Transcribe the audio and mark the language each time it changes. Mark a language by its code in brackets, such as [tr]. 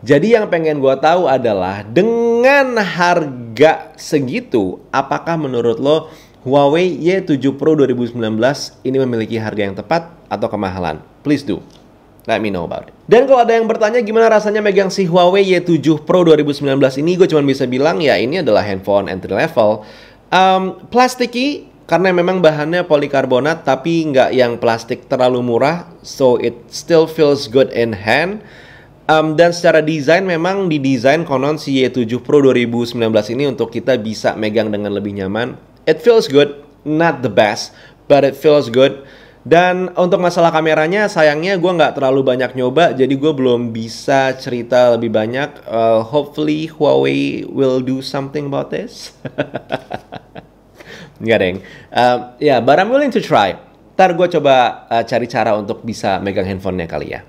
[id] Jadi yang pengen gua tahu adalah dengan harga segitu, apakah menurut lo Huawei Y7 Pro 2019 ini memiliki harga yang tepat atau kemahalan? [en] Please do. Let me know about it. [id] Dan kalau ada yang bertanya gimana rasanya megang si Huawei Y7 Pro 2019 ini, gue cuma bisa bilang ya ini adalah handphone entry level. Plasticky, karena memang bahannya polikarbonat tapi nggak yang plastik terlalu murah. [en] So it still feels good in hand. [id] Dan secara desain memang didesain konon si Y7 Pro 2019 ini untuk kita bisa megang dengan lebih nyaman. [en] It feels good, not the best, but it feels good. [id] Dan untuk masalah kameranya, sayangnya gue nggak terlalu banyak nyoba, jadi gue belum bisa cerita lebih banyak. [en] Hopefully Huawei will do something about this. [id] Nggak deng. [en] Yeah, but I'm willing to try. [id] Ntar gue coba cari cara untuk bisa megang handphonenya kali ya.